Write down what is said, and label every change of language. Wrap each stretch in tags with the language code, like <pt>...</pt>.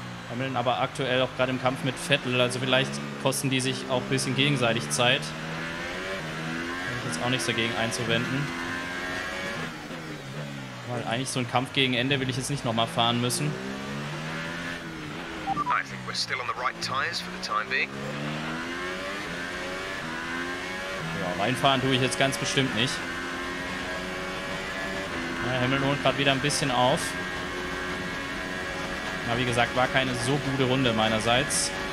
<de>Hamilton aber aktuell auch gerade im Kampf mit Vettel, also vielleicht kosten die sich auch ein bisschen gegenseitig Zeit. Bin ich jetzt auch nichts dagegen einzuwenden. Weil eigentlich so ein Kampf gegen Ende will ich jetzt nicht nochmal fahren müssen.</de> <en>I think we're still on the right tires for the time being.</en> <de>Ja, reinfahren tue ich jetzt ganz bestimmt nicht. Ja, Hamilton holt gerade wieder ein bisschen auf. Na, wie gesagt, war keine so gute Runde meinerseits.</de>